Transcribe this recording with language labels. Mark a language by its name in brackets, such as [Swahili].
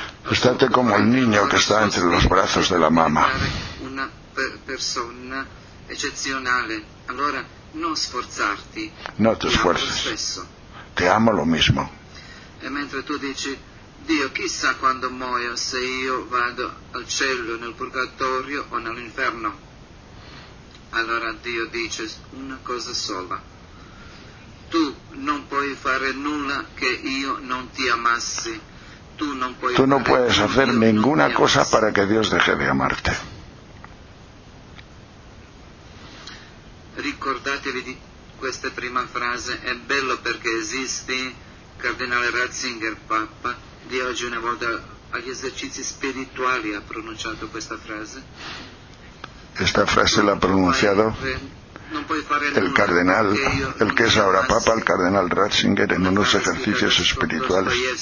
[Spanish] Estate como el niño que está entre los brazos de la mamá. [Italian] Una persona eccezionale. Allora, no sforzarti. [Spanish] No te esfuerces. Te amo lo mismo. [Italian] E mentre tu dici, Dio, chissà quando muoio, se io vado al cielo, nel purgatorio o nell'inferno. Allora Dio dice una cosa sola. Tu non puoi fare nulla che io non ti amassi. [Spanish] Tú no puedes hacer ninguna cosa para que Dios deje de amarte. [Italian] Ricordatevi di questa prima frase, è bello perché esiste Cardinale Ratzinger, Papa, di oggi una volta agli esercizi spirituali ha pronunciato questa frase. [Spanish] Esta frase la ha pronunciado el cardenal, el que es ahora Papa, el cardenal Ratzinger, en unos ejercicios espirituales.